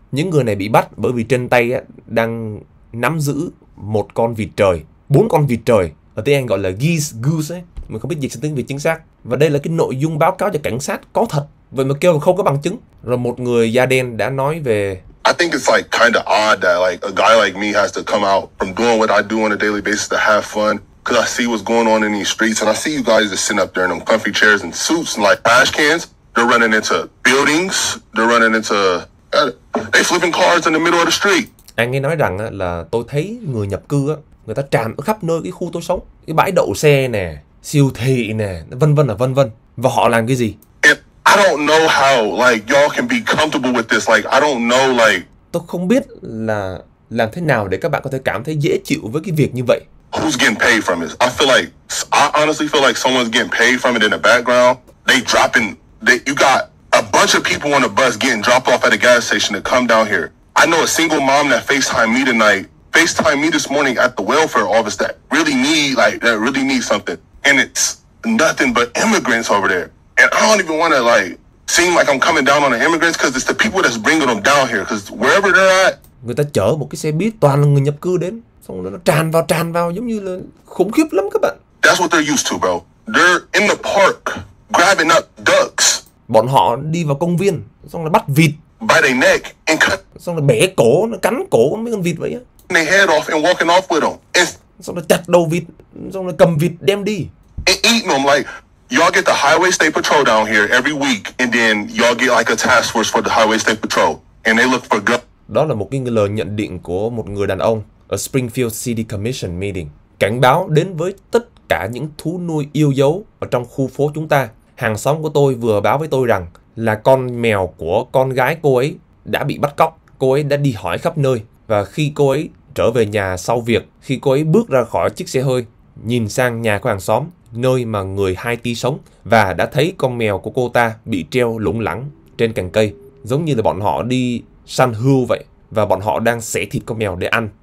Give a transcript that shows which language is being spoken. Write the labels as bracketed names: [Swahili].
[Vietnamese] Những người này bị bắt bởi vì trên tay đang nắm giữ một con vịt trời, bốn con vịt trời. Ở tiếng Anh gọi là geese, goose ấy. Mình không biết dịch sang tiếng Việt chính xác. Và đây là cái nội dung báo cáo cho cảnh sát có thật. Vậy mà kêu là không có bằng chứng. Rồi một người da đen đã nói về [English] I think it's like kind of odd that like a guy like me has to come out from doing what I do on a daily basis to have fun. Cause I see what's going on in these streets and I see you guys just sitting up there in them comfy chairs and suits and like trash cans. They're running into buildings. They're running into they flipping cars in the middle of the street. [Vietnamese] Anh ấy nói rằng là tôi thấy người nhập cư á, người ta tràn ở khắp nơi cái khu tôi sống, cái bãi đậu xe nè, siêu thị nè, vân vân là vân vân. Và họ làm cái gì? [English] I don't know how like y'all can be comfortable with this. Like I don't know like [Vietnamese] tôi không biết là làm thế nào để các bạn có thể cảm thấy dễ chịu với cái việc như vậy. [English] Who's getting paid from this? I feel like I honestly feel like someone's getting paid from it in the background. They dropping that you got a bunch of people on a bus getting dropped off at a gas station to come down here. I know a single mom that FaceTimed me tonight, FaceTimed me this morning at the welfare office that really need something, and it's nothing but immigrants over there. And I don't even want to like seem like I'm coming down on the immigrants because it's the people that's bringing them down here. Because wherever they're at, [Vietnamese] người ta chở một cái xe buýt toàn là người nhập cư đến, xong rồi nó tràn vào giống như là khủng khiếp lắm các bạn. [English] That's what they're used to, bro. They're in the park. grabbing up ducks. [Vietnamese] Bọn họ đi vào công viên, xong rồi bắt vịt. [English] By their neck and cut. [Vietnamese] Xong rồi bẻ cổ, nó cắn cổ mấy con vịt vậy á. [English] And they head off and walking off with them. [Vietnamese] Xong rồi chặt đầu vịt, xong rồi cầm vịt đem đi. [English] And eating them like, y'all get the Highway State Patrol down here every week, and then y'all get like a task force for the Highway State Patrol, and they look for guns. [Vietnamese] Đó là một cái lời nhận định của một người đàn ông ở Springfield City Commission meeting, cảnh báo đến với tất cả những thú nuôi yêu dấu ở trong khu phố chúng ta. Hàng xóm của tôi vừa báo với tôi rằng là con mèo của con gái cô ấy đã bị bắt cóc. Cô ấy đã đi hỏi khắp nơi, và khi cô ấy trở về nhà sau việc, khi cô ấy bước ra khỏi chiếc xe hơi, nhìn sang nhà của hàng xóm, nơi mà người Haiti sống, và đã thấy con mèo của cô ta bị treo lủng lẳng trên cành cây, giống như là bọn họ đi săn hươu vậy, và bọn họ đang xẻ thịt con mèo để ăn.